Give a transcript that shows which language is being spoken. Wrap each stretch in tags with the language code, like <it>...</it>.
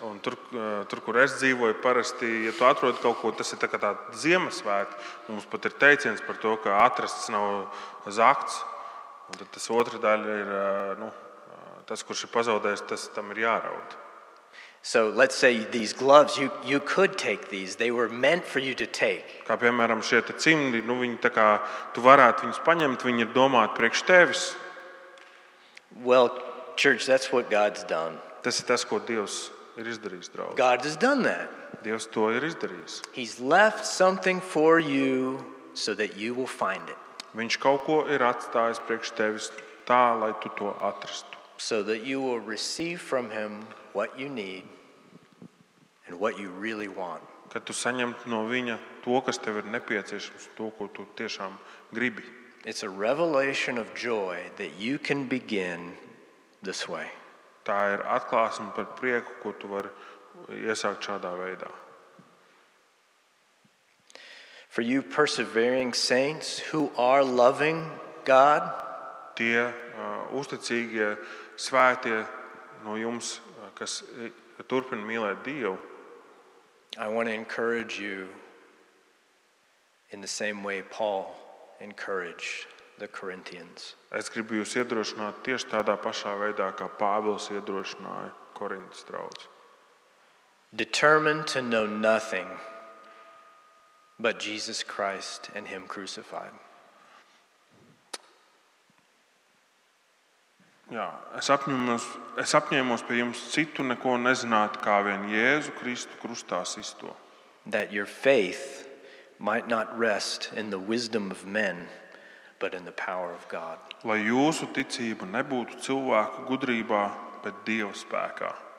<lv>Un tur, kur es dzīvoju, parasti, ja tu atrodi kaut ko, tas ir tā kā tā Ziemassvēta. Mums pat ir teiciens par to, ka atrasts nav zakts. Un tad tas otra daļa ir, nu, tas, kurš ir pazaudējis, tas tam ir jāraud.</lv> <en>So let's say these gloves, you could take these. They were meant for you to take.</en> <lv>Kā piemēram, šie te cimdi, nu, viņi tā kā, tu varētu viņus paņemt, viņi ir domāti priekš tevis.</lv> <en>Well, church, that's what God's done.</en> <lv>Tas ir tas, ko Dievs ir izdarījis, draugi.</lv> <en>God has done that.</en> <lv>Dievs to ir izdarījis.</lv> <en>He's left something for you so that you will find it.</en> <lv>Viņš kaut ko ir atstājis priekš tevis tā, lai tu to atrastu.</lv> <en>So that you will receive from him what you need and what you really want.</en> <lv>Kad tu saņemt no viņa to, kas tev ir nepieciešams, to, ko tu tiešām gribi.</lv> <en>It's a revelation of joy that you can begin this way.</en> <lv>Tā ir atklāsme par prieku, ko tu vari iesākt šādā veidā.</lv> <en>For you persevering saints who are loving God,</en> <lv>tie uzticīgie svētie no jums, kas turpina mīlēt Dievu,</lv> <en>I want to encourage you in the same way Paul encouraged the Corinthians.</en> <lv>Es gribu jūs iedrošināt tieši tādā pašā veidā, kā Pāvils iedrošināja Korintas draudzi.</lv> <en>Determined to know nothing but Jesus Christ and him crucified.</en> <lv>Jā, es apņēmos pie jums citu neko nezināt, kā vien Jēzu Kristu krustā sisto.</lv> <en>That your faith might not rest in the wisdom of men, but in the power of God.</en> <lv>Lai jūsu ticība nebūtu cilvēku gudrībā, bet Dieva spēkā.</lv>